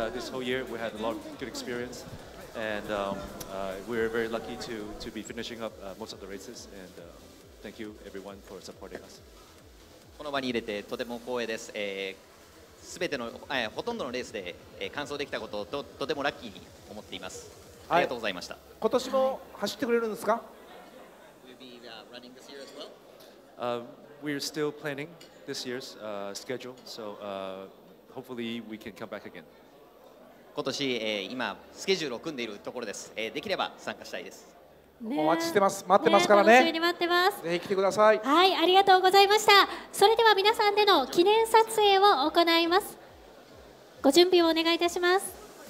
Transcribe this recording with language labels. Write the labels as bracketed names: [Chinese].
[English] This whole year we had a lot of good experience, and we're very lucky to be finishing up most of the races. And thank you everyone for supporting us. [Japanese] この場に入れてとても光栄です。すべてのほとんどのレースで完走できたことをとてもラッキーに思っています。ありがとうございました。今年も走ってくれるんですか？ [English] We'll be running this year as well. We're still planning. This year's schedule, so hopefully we can come back again. [Japanese] 今年、今スケジュールを組んでいるところです。できれば参加したいです。ね、お待ちしてます。待ってますからね。ね、楽しみに待ってます。ぜひ来てください。はい、ありがとうございました。それでは皆さんでの記念撮影を行います。ご準備をお願いいたします。